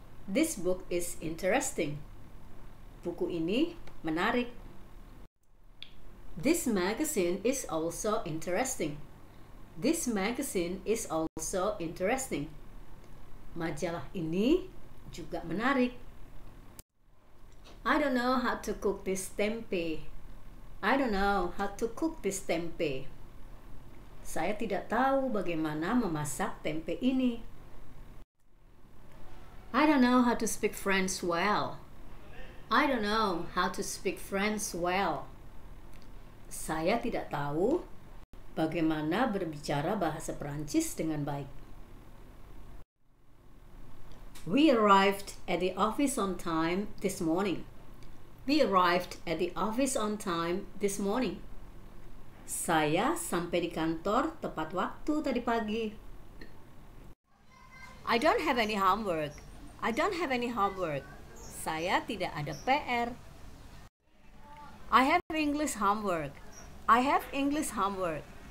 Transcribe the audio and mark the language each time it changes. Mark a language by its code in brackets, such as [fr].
[en] This book is interesting. [id] Buku ini menarik. [en] This magazine is also interesting. This magazine is also interesting. [id] Majalah ini juga menarik. [en] I don't know how to cook this tempeh. I don't know how to cook this tempeh. [id] Saya tidak tahu bagaimana memasak tempe ini. [en] I don't know how to speak French well. I don't know how to speak French well. [id] Saya tidak tahu bagaimana berbicara bahasa Perancis dengan baik. [en] We arrived at the office on time this morning. We arrived at the office on time this morning. [id] Saya sampai di kantor tepat waktu tadi pagi. [en] I don't have any homework. I don't have any homework. [id] Saya tidak ada PR. [en] I have English homework. I have English homework.